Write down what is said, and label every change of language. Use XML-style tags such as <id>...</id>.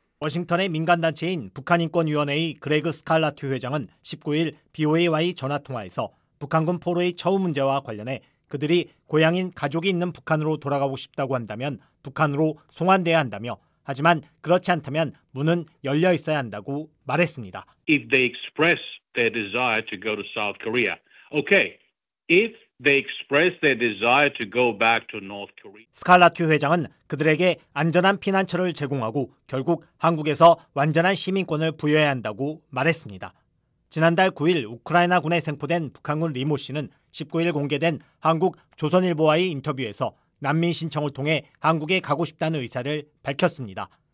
<ko>워싱턴의 민간단체인 북한인권위원회의 그레그 스칼라트 회장은 19일 BOA와의 전화통화에서 북한군 포로의 처우 문제와 관련해 그들이 고향인 가족이 있는 북한으로 돌아가고 싶다고 한다면 북한으로 송환돼야 한다며 하지만 그렇지 않다면 문은 열려 있어야 한다고 말했습니다.</ko> <en>If they express their desire to go to South Korea, okay. If they express their desire to go back to North Korea.</en> <ko>스칼라트 회장은 그들에게 안전한 피난처를 제공하고 결국 한국에서 완전한 시민권을 부여해야 한다고 말했습니다. 지난달 9일 우크라이나군에 생포된 북한군 리모 씨는 19일 공개된 한국 조선일보와의 인터뷰에서 난민 신청을 통해 한국에 가고 싶다는 의사를 밝혔습니다.</ko>